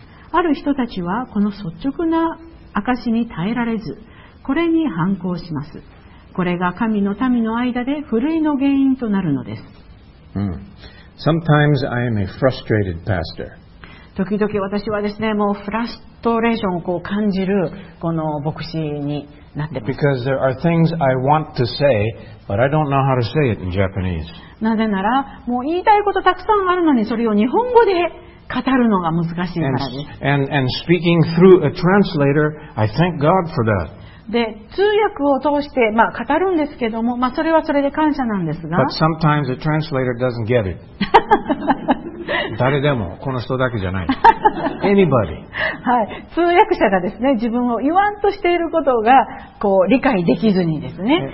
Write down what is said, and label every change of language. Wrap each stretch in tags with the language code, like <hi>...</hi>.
<ja>ある人たちはこの率直な証に耐えられず、これに反抗します。これが神の民の間で古いの原因となるのです。</ja> <en>Sometimes I am a frustrated pastor.</en> <ja>時々私はですね、もうフラストレーションをこう感じるこの牧師になってます。</ja> <en>Because there are things I want to say, but I don't know how to say it in Japanese.</en> <ja>なぜなら、もう言いたいことたくさんあるのに、それを日本語で語るのが難しいからです。</ja> <en>And speaking through a translator, I thank God for that.</en> <ja>で、通訳を通して、まあ、語るんですけども、まあ、それはそれで感謝なんですが。</ja> <en>But sometimes the translator doesn't get it.</en> <ja>誰でも、この人だけじゃない。</ja> <en>Anybody.</en> <ja>はい。通訳者がですね、自分を言わんとしていることが、こう、理解できずにですね。</ja>